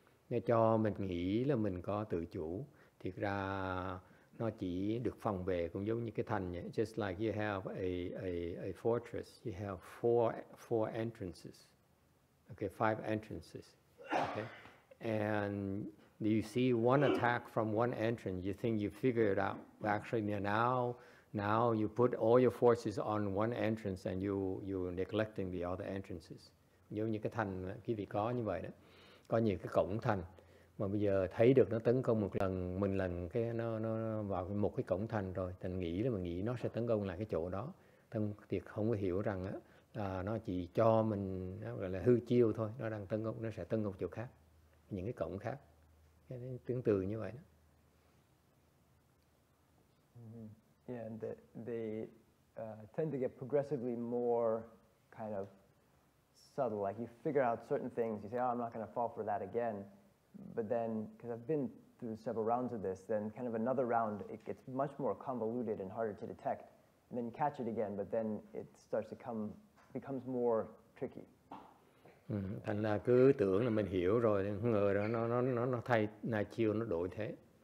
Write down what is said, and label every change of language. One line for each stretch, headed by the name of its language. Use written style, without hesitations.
Vietnamese: Nó cho mình nghĩ là mình có tự chủ, thiệt ra nó chỉ được phòng vệ, cũng giống như cái thành vậy.
English: Just like you have a fortress, you have four entrances, okay, five entrances, okay, and you see one attack from one entrance, you think you figure it out, but actually now you put all your forces on one entrance and you neglecting the other entrances.
Vietnamese: Giống như cái thành quý vị có như vậy đó, có nhiều cái cổng thành mà bây giờ thấy được nó tấn công một lần, mình lần cái nó vào một cái cổng thành rồi, thành nghĩ là mình nghĩ nó sẽ tấn công lại cái chỗ đó, thằng thiệt không có hiểu rằng á là nó chỉ cho mình gọi là hư chiêu thôi, nó đang tấn công, nó sẽ tấn công chỗ khác, những cái cổng khác, cái tương tự như vậy đó.
English: Yeah, and they tend to get progressively more kind of subtle. Like you figure out certain things, you say, oh, I'm not going to fall for that again. But then, because I've been through several rounds of this, then kind of another round, it gets much more convoluted and harder to detect. And then you catch it again, but then it starts to becomes more tricky.
Vietnamese: Thành là cứ tưởng là mình hiểu rồi, không ngờ đó, nó thay, nó chiều, nó đổi thế.